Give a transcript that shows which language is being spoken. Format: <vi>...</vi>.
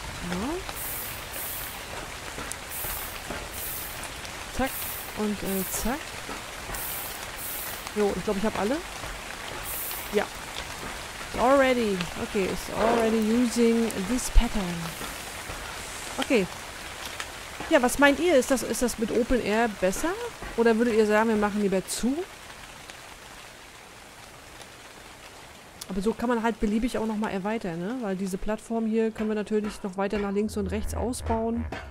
<de>Ja. Zack und zack. Jo, ich glaube, ich habe alle. Ja. Already.</de> <en>Okay, it's already using this pattern.</en> <de>Okay. Ja, was meint ihr? Ist das mit Open Air besser? Oder würdet ihr sagen, wir machen lieber zu? Aber so kann man halt beliebig auch nochmal erweitern, ne? Weil diese Plattform hier können wir natürlich noch weiter nach links und rechts ausbauen.</de>